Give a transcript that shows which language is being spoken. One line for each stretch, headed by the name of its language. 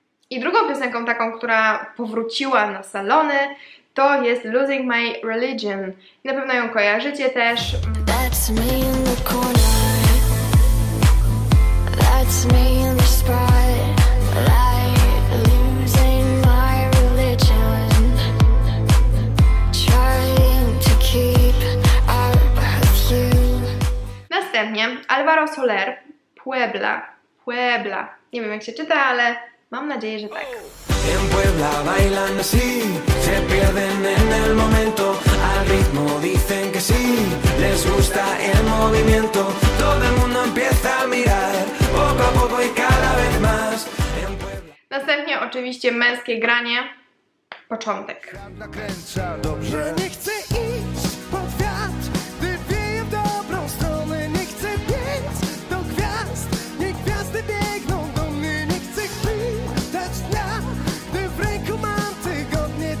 Polish: I drugą piosenką taką, która powróciła na salony, to jest Losing My Religion. Na pewno ją kojarzycie też.
English: That's me in the corner. That's me in the spotlight. Losing my religion. Trying to keep up with you.
Polish: Następnie Alvaro Soler, Puebla. Puebla. Nie wiem jak się czyta, ale Mam nadzieję, że tak.
Spanish: En Puebla bailan así, se pierden en el momento, al ritmo dicen que sí, les gusta el movimiento, todo el mundo empieza a mirar, poco a poco y cada vez más.
Polish: Następnie oczywiście męskie granie, początek. Dobrze. Nie chcę iść pod wiatr, gdy wieję w dobrą stronę. Nie chcę biec do gwiazd, niech gwiazdy biegną do mnie. Nie chcę chwytać dnia, gdy w ręku mam tygodnie.